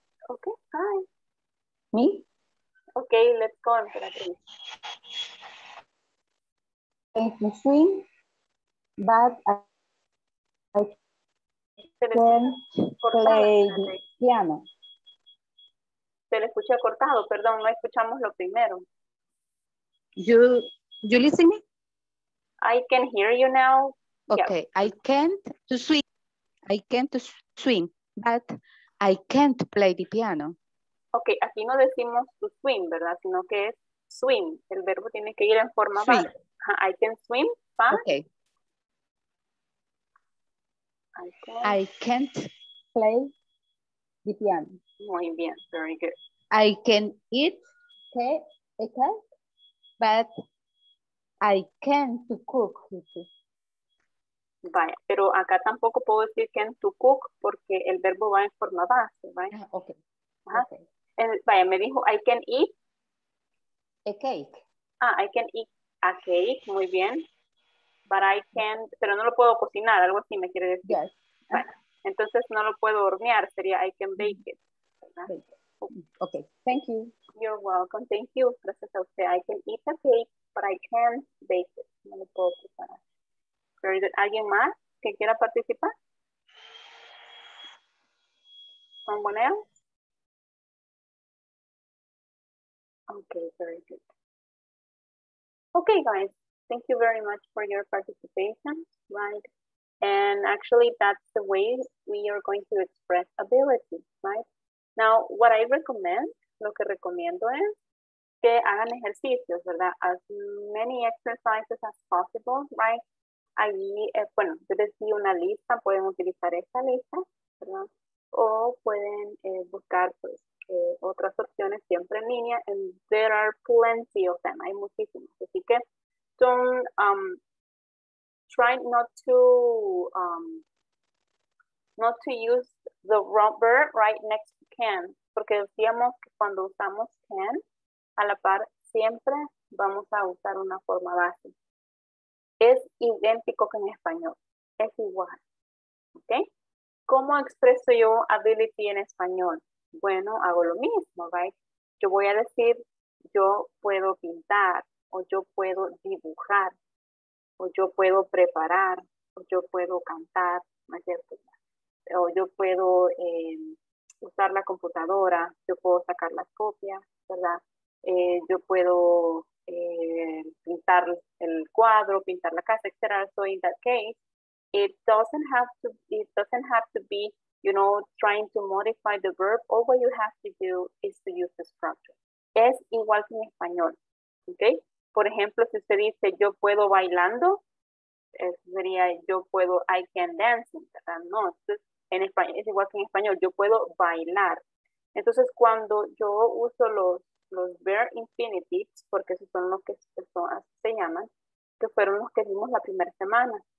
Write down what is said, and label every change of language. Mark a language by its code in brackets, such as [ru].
[en] Okay, hi. Me? Okay, let's go on. I can sing, but I can play piano. [es] Se le escucha cortado, perdón, no escuchamos lo primero. [en] You listen me? I can hear you now. Okay, yeah. I can't to swing. I can't to swing, but I can't play the piano. [es] Okay, aquí no decimos [en] to swim, [es] ¿verdad? Sino que es swim. El verbo tiene que ir en forma [en] swim. I can swim, but okay. I can't play the piano. [es] Muy bien, [en] very good. I can eat cake, but I can't cook. [es] Vaya, pero acá tampoco puedo decir [en] can to cook [es] porque el verbo va en forma base, ¿verdad? [en] Right? Ah, ok. [es] Ajá. Okay. El, vaya, me dijo [en] I can eat a cake. Ah, I can eat a cake, [es] muy bien. [en] But I can, [es] pero no lo puedo cocinar, algo así me quiere decir. [en] Yes. [es] Vaya, entonces no lo puedo hornear, sería [en] I can bake it. [es] ¿Verdad? [en] Ok, thank you. You're welcome, thank you. [es] Gracias a usted. [en] I can eat a cake, but I can bake it. [es] No lo puedo preparar. ¿Alguien más que quiera participar? [en] ¿Someone else? Okay, very good. Okay, guys, thank you very much for your participation, right? And actually, that's the way we are going to express ability, right? Now, what I recommend, [es] lo que recomiendo es que hagan ejercicios, ¿verdad? [en] As many exercises as possible, right? [es] Ahí, bueno, ustedes sí una lista, pueden utilizar esta lista, ¿verdad? O pueden buscar pues, otras opciones siempre en línea. [en] And there are plenty of them, [es] hay muchísimas. Así que, [en] try not to use the wrong verb right next to can. [es] Porque decíamos que cuando usamos can, a la par, siempre vamos a usar una forma base. Es idéntico que en español. Es igual. ¿Ok? ¿Cómo expreso yo ability en español? Bueno, hago lo mismo, right? Yo voy a decir, yo puedo pintar, o yo puedo dibujar, o yo puedo preparar, o yo puedo cantar, ¿no es cierto? O yo puedo usar la computadora, yo puedo sacar las copias, ¿verdad? Yo puedo... pintar el cuadro, pintar la casa, etc. [en] So in that case, it doesn't have to be, you know, trying to modify the verb. All what you have to do is to use the structure. [es] Es igual que en español, okay? Por ejemplo, si usted dice yo puedo bailando, sería yo puedo [en] I can dance, [es] ¿verdad? No, entonces, en español es igual que en español. Yo puedo bailar. Entonces cuando yo uso los verb infinitives, porque esos son los que personas se llaman, que fueron los que vimos la primera semana.